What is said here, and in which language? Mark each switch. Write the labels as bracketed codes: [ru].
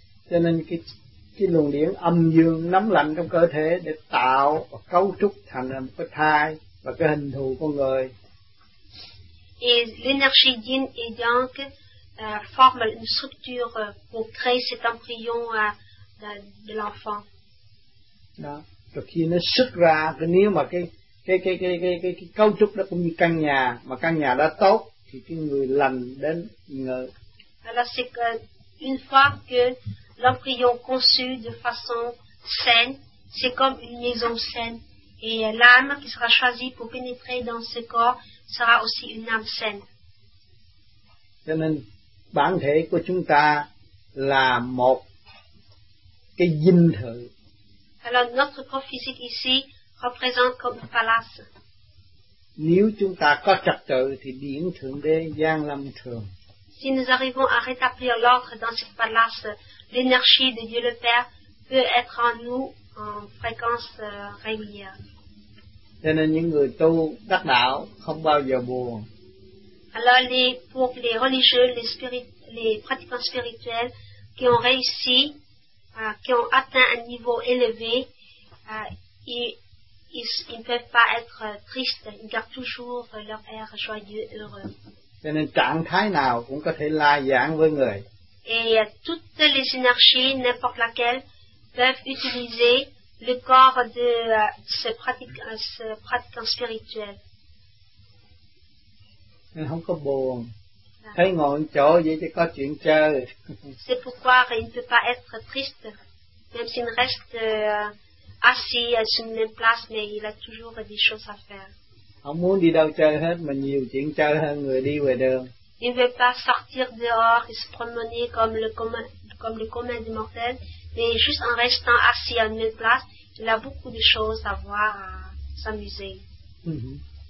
[vi] Cho nên cái luồng điện âm dương nắm lạnh trong cơ thể để tạo và cấu trúc thành một cái thai và cái hình thù con người. [fr] Et l'énergie yin et yang forme une structure pour créer cet embryon de l'enfant. [vi] Đó. Rồi khi nó xuất ra, nếu mà cái cấu trúc đó cũng như căn nhà, mà căn nhà đó tốt, thì cái người lành đến người. [fr] Alors c'est que une fois que l'embryon conçu de façon saine, c'est comme une maison saine. Et l'âme qui sera choisie pour pénétrer dans ce corps sera aussi une âme saine. [vi] Cho nên, bản thể của chúng ta là một cái dinh thự. [fr] Alors, notre corps physique ici représente comme un palace. [vi] Nếu chúng ta có trật tự thì điển thượng đế giang lâm thường. [fr] Si nous arrivons à rétablir l'ordre dans ce palace, l'énergie de Dieu le Père peut être en nous en fréquence régulière. [vi] Cho nên những người tu đắc đạo không bao giờ buồn. [fr] Alors pour les religieux, les pratiquants spirituels qui ont réussi, qui ont atteint un niveau élevé, ils ne peuvent pas être tristes, ils gardent toujours leur air joyeux et heureux. [vi] Cho nên trạng thái nào cũng có thể lai giảng với người. [fr] Et toutes les énergies, n'importe laquelle, peuvent utiliser le corps de ce pratiquant spirituel. [vi] Nên không có buồn. Thấy ngồi một chỗ vậy chứ có chuyện chơi. [fr] C'est pourquoi il ne peut pas être triste, même s'il reste assis sur une même place, mais il a toujours des choses à faire. [vi] Không muốn đi đâu chơi hết mà nhiều chuyện chơi hơn người đi ngoài đường. [fr] Il ne veut pas sortir dehors et se promener comme le commun des mortels, mais juste en restant assis à une place, il a beaucoup de choses à voir, à s'amuser. Mm-hmm.